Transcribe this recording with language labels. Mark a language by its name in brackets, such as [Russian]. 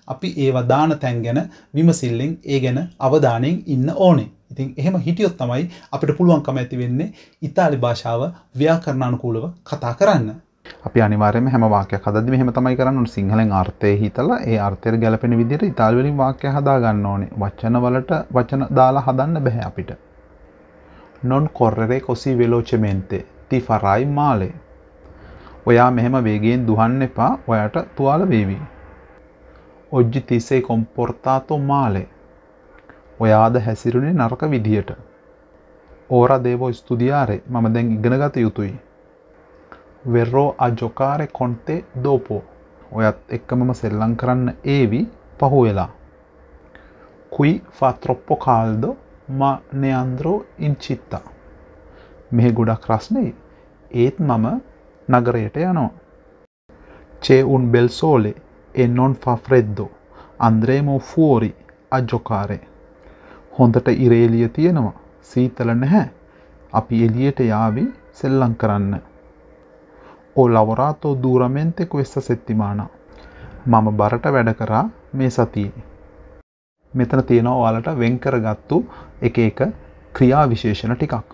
[Sinhala] අපි ඒවා දාන තැන් ගැන විමසිල්ලෙන්, ඒ ගැන අවධානයෙන් ඉන්න ඕනේ. ඉතින් එහෙම හිටියොත් තමයි අපිට පුළුවන්කම ඇති වෙන්නේ ඉතාලි භාෂාව ව්‍යාකරණානුකූලව කතා කරන්න. අපි අනිවාර්යයෙන්ම හැම වාක්‍යයක් හදද්දි මෙහෙම තමයි කරන්නේ. සිංහලෙන් අර්ථය හිතලා ඒ අර්ථයට ගැලපෙන විදිහට ඉතාලි වලින් වාක්‍ය හදා ගන්න ඕනේ. වචන වලට වචන දාලා හදන්න බෑ අපිට. [Italian] Non correre così velocemente. Ti farai male. [Sinhala] ඔයා මෙහෙම වේගයෙන් දුහන්න එපා. ඔයාට තුවාල වේවි. [Italian] Oggi ti sei comportato male. [Sinhala] ඔයාද හැසිරුනේ නරක විදියට. [Italian] ora devo studiare, [Sinhala] මම දැන් ඉගෙන ගත යුතුයි. [Italian] verrò a giocare con te dopo, [Sinhala] ඔයත් එක්කමම සෙල්ලම් කරන්න ඒවි පහු වෙලා. [Italian] qui fa troppo caldo, ma ne andrò in città, [Sinhala] මෙහි ගොඩක් රස්නේ, ඒත් මම නගරයට යනවා. [Italian] c'è un bel sole e non fa freddo, andremo fuori a giocare. [Sinhala] හොඳට ඉරේලිය තියෙනවා, සීතල නැහැ, අපි එළියට යාවි සෙල්ලම් කරන්න. [Italian] ඔ ලවරාතෝ දුරමෙන්තේ කුවෙස්ස සෙත්තිමානා, [Sinhala] මම බරට වැඩ කරා මේ සතියේ. මෙතන තියෙනවා ඔයාලට වෙන් කරගත්තු එක එක ක්‍රියා විශේෂණ ටිකක්.